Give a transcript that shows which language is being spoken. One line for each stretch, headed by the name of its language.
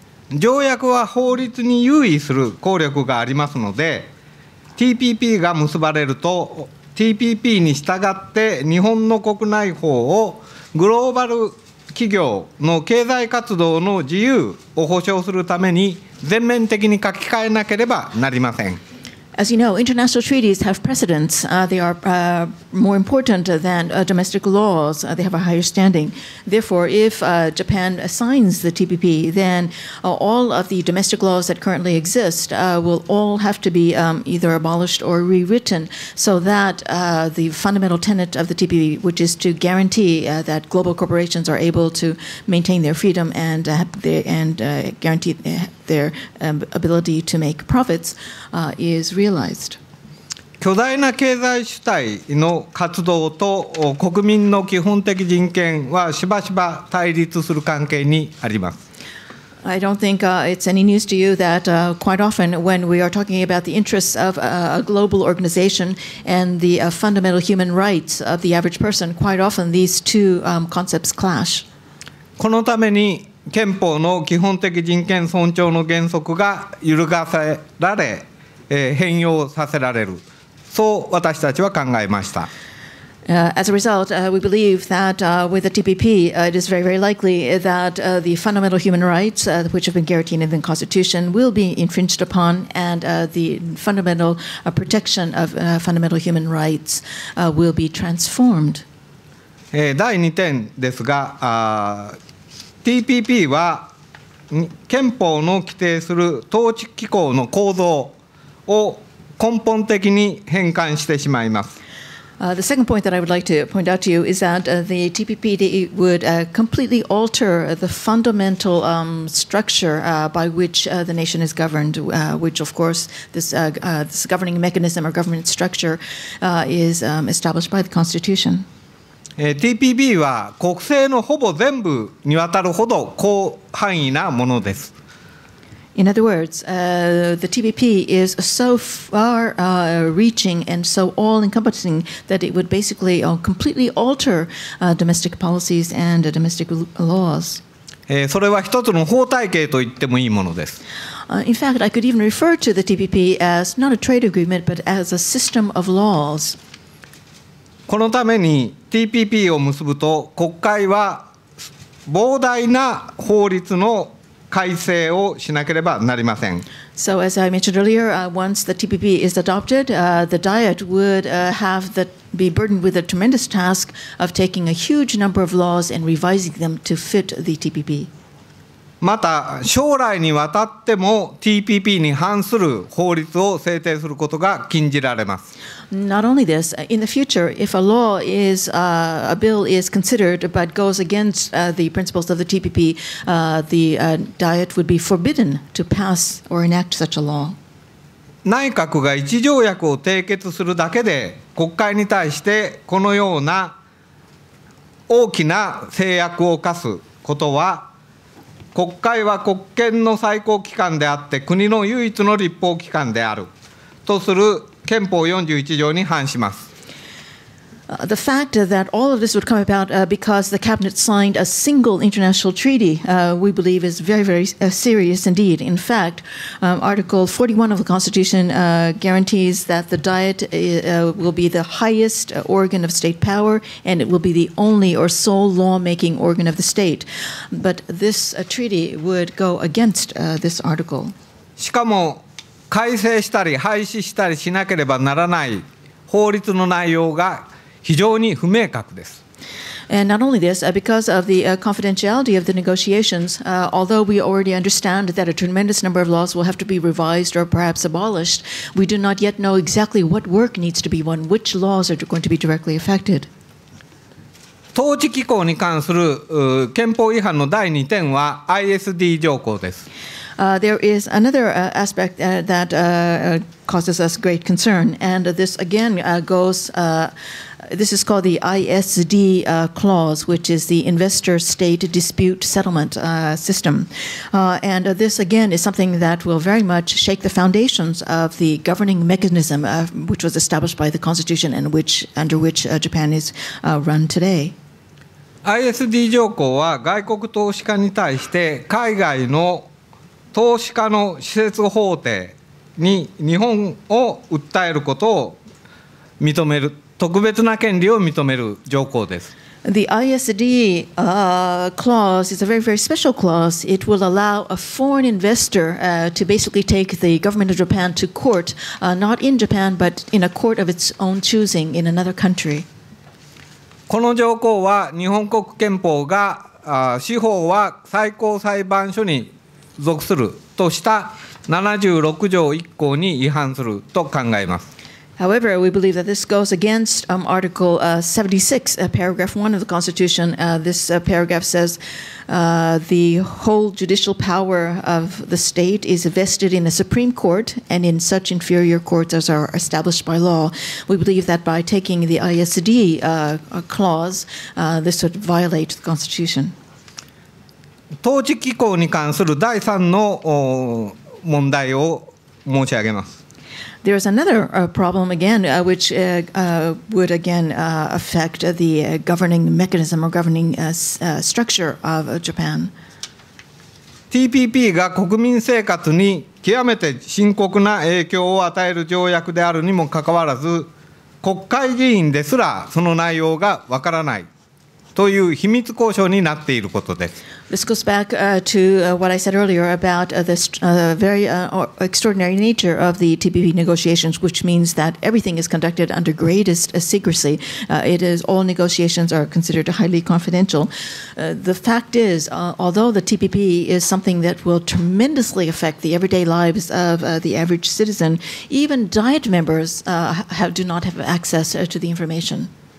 Japanese: 条約は法律に優位する効力がありますので、 TPP が結ばれると TPP に従って日本の国内法をグローバル企業の経済活動の自由を保障するために全面的に書き換えなければなりません。
English: As you know, international treaties have precedence. They are more important than domestic laws. They have a higher standing. Therefore, if Japan signs the TPP, then all of the domestic laws that currently exist will all have to be either abolished or rewritten, so that the fundamental tenet of the TPP, which is to guarantee that global corporations are able to maintain their freedom and guarantee their ability to make profits, is realized.
Japanese: 巨大な経済主体の活動と国民の基本的人権はしばしば対立する関係にあります。
English: I don't think it's any news to you that quite often when we are talking about the interests of a global organization and the fundamental human rights of the average person, quite often these two concepts clash.
Japanese: このために憲法の基本的人権尊重の原則が揺るがせられ、変容させられる、そう私たちは考えました。
English: As a result, we believe that with the TPP, it is very, very likely that the fundamental human rights, which have been guaranteed in the Constitution, will be infringed upon, and the fundamental protection of fundamental human rights will be transformed.
Japanese: 第2点ですが、TPP は憲法の規定する統治機構の構造を根本的に変換してしまいます。
English: The second point that I would like to point out to you is that the TPP would completely alter the fundamental structure by which the nation is governed, which of course this, this governing mechanism or government structure is established by the Constitution.
Japanese: TPP は国政のほぼ全部にわたるほど広範囲なものです。
English: In other words, the TPP is so far reaching and so all-encompassing that it would basically completely alter domestic policies and domestic laws.
Japanese: それは一つの法体系と言ってもいいものです。
English: In fact, I could even refer to the TPP as not a trade agreement, but as a system of laws.
Japanese: このために TPP を結ぶと国会は膨大な法律の改正をしなければなりません。
English: So as I mentioned earlier, once the TPP is adopted, the Diet would be burdened with a tremendous task of taking a huge number of laws and revising them to fit the TPP.
Japanese: また将来にわたっても TPP に反する法律を制定することが禁じられます。
English: Not only this, in the future, if a law is, a bill is considered but goes against the principles of the TPP, the Diet would be forbidden to pass or enact such a law.
Japanese: 内閣が一条約を締結するだけで国会に対してこのような大きな制約を課すことは、国会は国権の最高機関であって国の唯一の立法機関であるとする憲法41条に反します。
English: The fact that all of this would come about because the cabinet signed a single international treaty, we believe is very, very serious indeed. In fact, Article 41 of the Constitution guarantees that the Diet will be the highest organ of state power and it will be the only or sole lawmaking organ of the state. But this treaty would go against this article.
Japanese: しかも改正したり廃止したりしなければならない法律の内容が非常に不明確です。
English: And not only this, because of the confidentiality of the negotiations, although we already understand that a tremendous number of laws will have to be revised or perhaps abolished, we do not yet know exactly what work needs to be done, which laws are going to be directly affected.
Japanese: 統治機構に関する憲法違反の第2点は ISD 条項です。
English: There is another aspect that causes us great concern, and this again goes, this is called the ISD clause, which is the Investor State Dispute Settlement System. And this again is something that will very much shake the foundations of the governing mechanism which was established by the Constitution and which, under which Japan is run today.
Japanese: ISD 条項は外国投資家に対して海外の投資家の施設法廷に日本を訴えることを認める、特別な権利を認める条項です。
English: The ISD clause is a very, very special clause. It will allow a foreign investor to basically take the government of Japan to court, not in Japan, but in a court of its own choosing in another country.
Japanese: この条項は日本国憲法が司法は最高裁判所に属するとした76条1項に違反すると考えます。
English: However, we believe that this goes against Article 76, paragraph 1 of the Constitution. This paragraph says the whole judicial power of the state is vested in the Supreme Court and in such inferior courts as are established by law. We believe that by taking the ISD clause, this would violate the Constitution.
Japanese: 統治機構に関する第三の問題を申し上げます。
English: There is another problem again, which would again affect the governing mechanism or governing structure of Japan.
Japanese: TPP が国民生活に極めて深刻な影響を与える条約であるにもかかわらず、国会議員ですらその内容がわからない。という秘密交渉になっていることです。
English: This goes back to what I said earlier about the very extraordinary nature of the TPP negotiations, which means that everything is conducted under greatest secrecy. It is all negotiations are considered highly confidential. The fact is, although the TPP is something that will tremendously affect the everyday lives of the average citizen, even Diet members do not have access to the information.